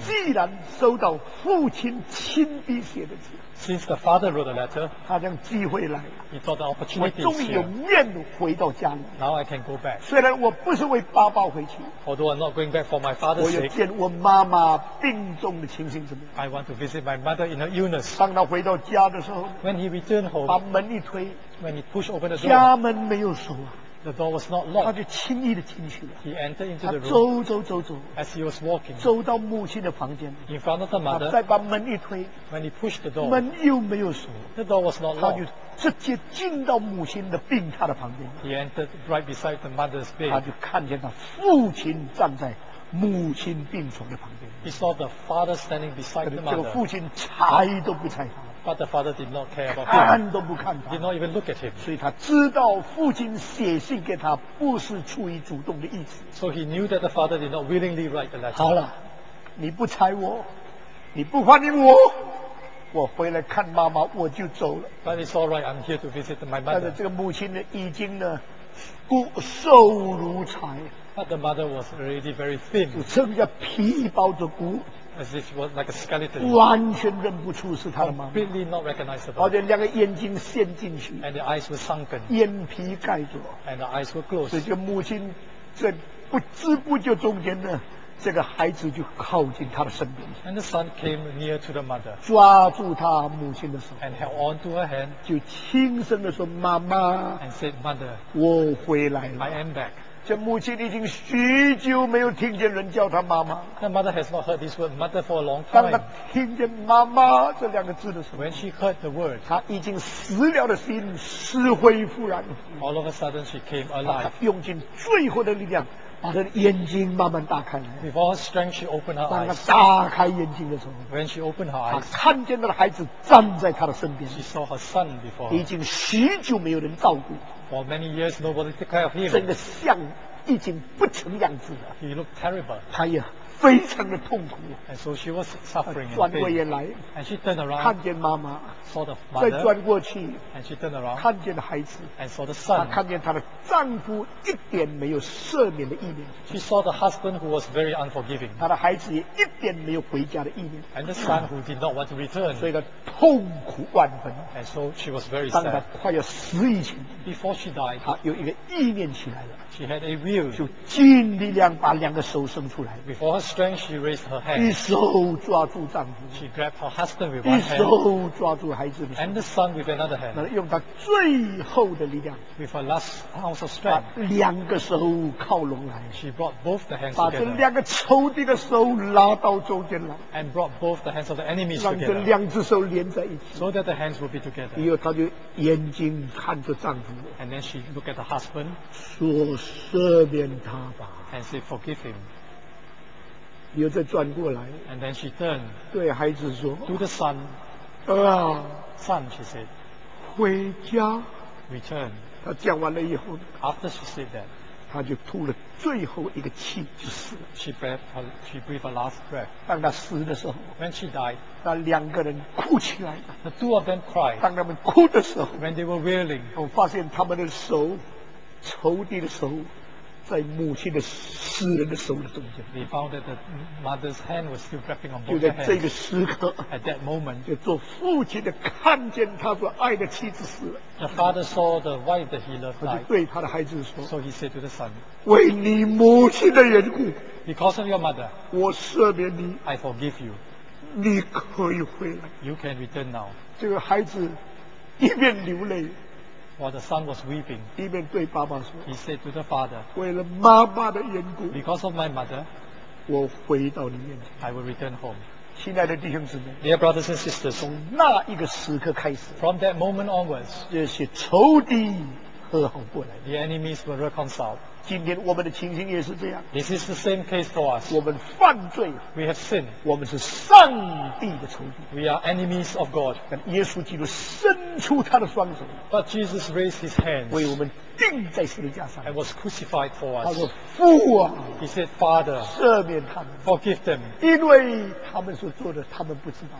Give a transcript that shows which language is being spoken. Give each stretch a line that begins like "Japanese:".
Chinese: 既然收到父亲亲笔写的字
English: Since the father wrote the letter,
Chinese: 他将机会来
English: He thought the opportunity is here.
Chinese: 我终于有面回到家里
English: Now I can go back.
Chinese: 虽然我不是为爸爸回去
English: Although I'm not going back for my father's sake,
Chinese: 我要见我妈妈病重的情形怎么样
English: I want to visit my mother in her illness.
Chinese: 当他回到家的时候
English: When he returned home,
Chinese: 把门一推
English: When he pushed open the door,
Chinese: 家门没有锁
English: The door was not locked.
Chinese: 他就轻易地进去了
English: He entered into the room.
Chinese: 他走走走走
English: As he was walking,
Chinese: 走到母亲的房间
English: In front of the mother,
Chinese: 再把门一推
English: When he pushed the door,
Chinese: 门又没有锁
English: The door was not locked.
Chinese: 他就直接进到母亲的病榻的旁边
English: He entered right beside the mother's bed.
Chinese: 他就看见他父亲站在母亲病床的旁边
English: He saw the father standing beside the mother.
Chinese: 这个父亲拆都不拆他
English: But the father did not care about him.
Chinese: 看都不看他。
English: Did not even look at him.
Chinese: 所以他知道父亲写信给他不是出于主动的意思。
English: So he knew that the father did not willingly write the letter.
Chinese: 好了，你不拆我，你不欢迎我，我回来看妈妈我就走了。
English: But it's all right. I'm here to visit my mother.
Chinese: 但是这个母亲呢，已经呢，骨瘦如柴。
English: But the mother was already very thin.
Chinese: 就剩下皮包着骨。
English: As if it was like a skeleton.
Chinese: 完全认不出是他的妈妈。
English: Completely not recognizable.
Chinese: 而且两个眼睛陷进去。
English: And the eyes were sunken.
Chinese: 眼皮盖住。
English: And the eyes were closed.
Chinese: 所以这个母亲在不知不觉中间呢，这个孩子就靠近他的身边。
English: And the son came near to the mother.
Chinese: 抓住他母亲的手。
English: And held on to her hand.
Chinese: 就轻声地说：“妈妈。
English: ”And said, "Mother."
Chinese: 我回来了。
English: I am back.
Chinese: 这母亲已经许久没有听见人叫她妈妈。
English: The mother has not heard this word mother for a long time.
Chinese: 当她听见妈妈这两个字的时候，
English: when she heard the word,
Chinese: 她已经死了的心死灰复燃。
English: All of a sudden she came alive.
Chinese: 她用尽最后的力量把她的眼睛慢慢打开来。
English: With all her strength she opened her eyes.
Chinese: 当她打开眼睛的时候，
English: when she opened her eyes,
Chinese: 她看见她的孩子站在她的身边。
English: She saw her son before.
Chinese: 已经许久没有人照顾。
English: For many years, nobody took care of him.
Chinese: 整个像已经不成样子了。
English: He looked terrible.
Chinese: 他也非常的痛苦。
English: And so she was suffering.
Chinese: 转过眼来。
English: And she turned around.
Chinese: 看见妈妈。
English: Saw the mother.
Chinese: 再转过去。
English: And she turned around.
Chinese: 看见孩子。
English: And saw the son.
Chinese: 她看见她的丈夫一点没有赦免的意念。
English: She saw the husband who was very unforgiving.
Chinese: 她的孩子也一点没有回家的意念。
English: And the son who did not want to return.
Chinese: 所以她痛苦万分。
English: And so she was very sad.
Chinese: 当她快要死以前。
English: Before she died.
Chinese: 她有一个意念起来了。
English: She had a will.
Chinese: 就尽力量把两个手伸出来。
English: Before her strength, she raised her hand.
Chinese: 一手抓住丈夫。
English: She grabbed her husband with one hand.
Chinese: 一手抓住孩子的手。
English: And the son with another hand.
Chinese: 那用她最后的力量。
English: With her last ounce of strength.
Chinese: 把两个手靠拢来。
English: She brought both the hands
Chinese: 把这两个仇敌的手拉到中间来。
English: And brought both the hands of the enemies together.
Chinese: 让这两只手连在一起。
English: So that the hands would be together.
Chinese: 以后她就眼睛看着丈夫。
English: And then she looked at the husband.
Chinese: 说赦免他吧。
English: And said, "Forgive him."
Chinese: 又再转过来。
English: And then she turned.
Chinese: 对孩子说。
English: To the son. Son, she said.
Chinese: 回家。
English: Return.
Chinese: 他讲完了以后。
English: After she said that.
Chinese: 他就吐了最后一个气，就死了。
English: She breathed her last breath.
Chinese: 当他死的时候。
English: When she died.
Chinese: 那两个人哭起来。
English: The two of them cried.
Chinese: 当他们哭的时候。
English: When they were wailing.
Chinese: 我发现他们的手。仇敌的手在母亲的死人的手的中间。
English: They found that the mother's hand was still gripping on both hands.
Chinese: 就在这个时刻。
English: At that moment.
Chinese: 就做父亲的看见他所爱的妻子死了。
English: The father saw the wife that he loved died.
Chinese: 他就对他的孩子说。
English: So he said to the son.
Chinese: 为你母亲的缘故。
English: Because of your mother.
Chinese: 我赦免你。
English: I forgive you.
Chinese: 你可以回来。
English: You can return now.
Chinese: 这个孩子一边流泪。
English: While the son was weeping,
Chinese: 一面对爸爸说,
English: he said to the father,
Chinese: 为了妈妈的缘故,
English: because of my mother,
Chinese: 我回到你面前,
English: I will return home.
Chinese: 亲爱的弟兄姊妹,
English: dear brothers and sisters,
Chinese: 从那一个时刻开始,
English: from that moment onwards,
Chinese: 这些仇敌和好过来,
English: the enemies were reconciled.
Chinese: 今天我们的情形也是这样,
English: this is the same case for us.
Chinese: 我们犯罪,
English: we have sinned.
Chinese: 我们是上帝的仇敌,
English: we are enemies of God.
Chinese: 但耶稣基督生出他的双手,
English: but Jesus raised his hands,
Chinese: 为我们钉在十字架上,
English: and was crucified for us.
Chinese: 他说, 父啊,
English: he said, Father,
Chinese: 赦免他们,
English: forgive them,
Chinese: 因为他们所做的, 他们不知道,